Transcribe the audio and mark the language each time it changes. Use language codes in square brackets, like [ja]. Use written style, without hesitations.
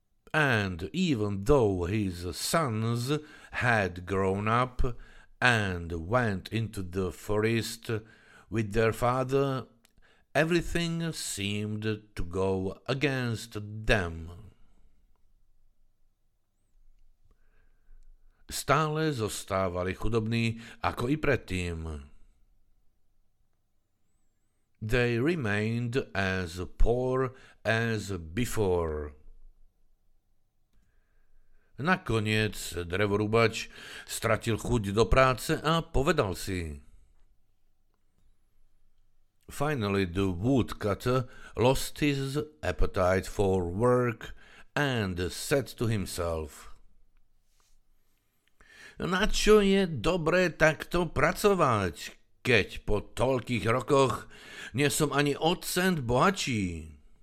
[en] And even though his sons had grown up and went into the forest with their father, everything seemed to go against them. [sk] Stále zostávali chudobní ako i predtým. [en] They remained as poor as before. [sk] Nakoniec drevorubač stratil chuť do práce a povedal si: [en] Finally, the woodcutter lost his appetite for work and said to himself, [sk] Na čo je dobré takto pracovať, keď po toľkých rokoch nie som ani o cent bohatší?